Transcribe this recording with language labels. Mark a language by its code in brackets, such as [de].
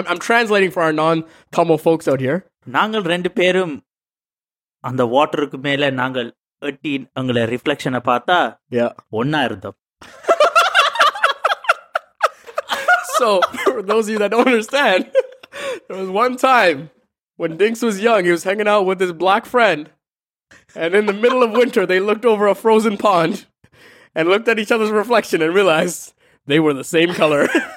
[en] I'm translating for our non-Tamil folks out here. [ta] நாங்கள் ரெண்டு பேரும் அந்த வாட்டருக்கு மேல நாங்கள் எங்களை ரிஃப்ளெக்ஷனை பார்த்தா ஒன்னா இருந்தோம். [en] So for those of you that don't understand, there was one time when Dinks was young, he was hanging out with his black friend, and in the middle of winter they looked over a frozen pond and looked at each other's reflection and realized they were the same color.